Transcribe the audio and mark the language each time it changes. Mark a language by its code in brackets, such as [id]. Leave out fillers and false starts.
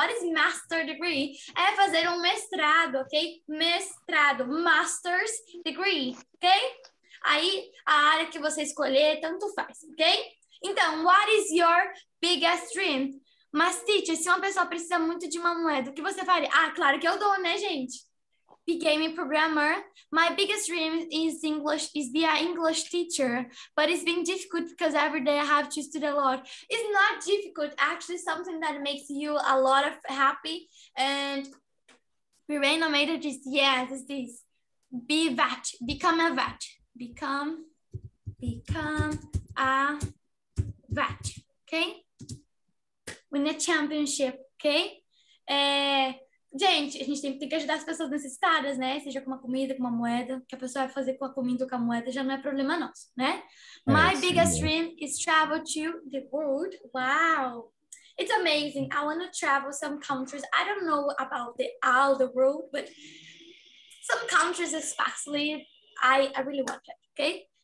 [en] What is master degree? [pt] É fazer um mestrado, ok? [en] Mestrado. Master's degree, ok? [pt] Aí, a área que você escolher, tanto faz, ok? Então, [en] what is your biggest dream? [pt] Mas, teacher, se uma pessoa precisa muito de uma moeda, o que você faria? Ah, claro que eu dou, né, gente? [en] Became a programmer. My biggest dream is English, is be an English teacher, but it's been difficult because every day I have to study a lot. It's not difficult, actually, something that makes you a lot of happy. And Irena made it just, yes, it's this. Be vet, become a vet. Become a vet, okay? Win a championship, okay? [pt] Gente, a gente tem que ajudar as pessoas necessitadas, né? Seja com uma comida, com uma moeda. O que a pessoa vai fazer com a comida ou com a moeda já não é problema nosso, né? [en] My biggest dream is travel to the world. Wow! It's amazing. I want to travel some countries. I don't know about all the world, but some countries especially, I really want it, okay?